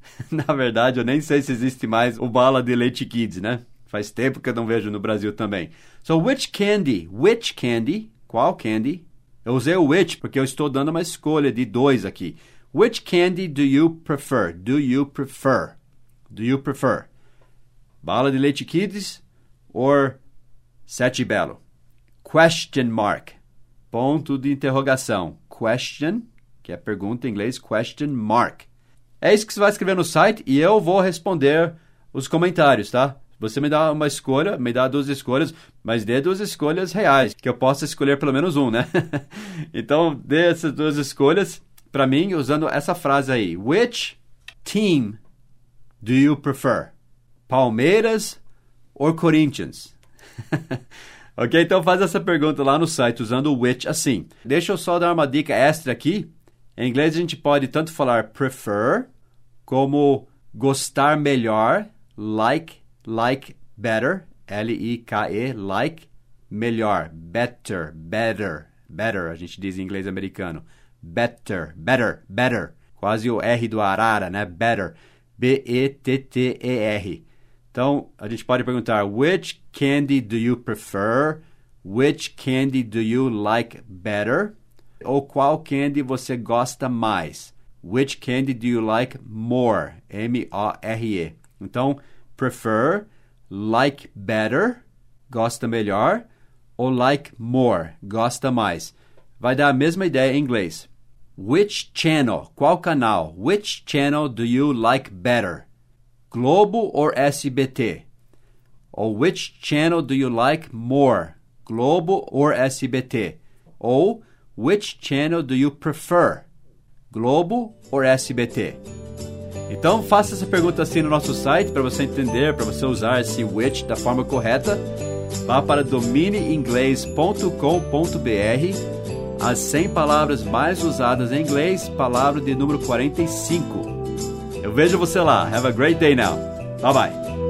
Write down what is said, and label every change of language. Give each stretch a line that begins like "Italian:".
Portuguese: Na verdade, eu nem sei se existe mais o bala de leite kids, né? Faz tempo que eu não vejo no Brasil também.
English: So, which candy,
Portuguese: qual candy? Eu usei o which porque eu estou dando uma escolha de dois aqui.
English: Which candy do you prefer? Do you prefer? Do you prefer?
Portuguese: Bala de leite kids
English: or sete belo? Question mark.
Portuguese: Ponto de interrogação. Question, que é pergunta em inglês,
English: question mark.
Portuguese: É isso que você vai escrever no site e eu vou responder os comentários, tá? Você me dá uma escolha, me dá duas escolhas, mas dê duas escolhas reais, que eu possa escolher pelo menos um, né? Então, dê essas duas escolhas para mim usando essa frase aí.
English: Which team do you prefer? Palmeiras or Corinthians?
Portuguese: Ok, então faz essa pergunta lá no site usando o which assim. Deixa eu só dar uma dica extra aqui. Em inglês a gente pode tanto falar prefer como gostar melhor,
English: like better,
Portuguese: L-I-K-E, like, melhor, better, a gente diz em inglês americano, better, quase o R do arara, né, better, B-E-T-T-E-R. Então, a gente pode perguntar,
English: which candy do you prefer, which candy do you like better,
Portuguese: ou qual candy você gosta mais,
English: which candy do you like more,
Portuguese: M-O-R-E. Então,
English: prefer, like better,
Portuguese: gosta melhor, ou
English: like more,
Portuguese: gosta mais. Vai dar a mesma ideia em inglês.
English: Which channel,
Portuguese: qual canal,
English: which channel do you like better? Globo or SBT?
Portuguese: Ou
English: which channel do you like more? Globo or SBT?
Portuguese: Ou
English: which channel do you prefer? Globo or SBT?
Portuguese: Então, faça essa pergunta assim no nosso site para você entender, para você usar esse which da forma correta. Vá para domineinglês.com.br. As 100 palavras mais usadas em inglês, palavra de número 45. Eu vejo você lá.
English: Have a great day now. Bye-bye.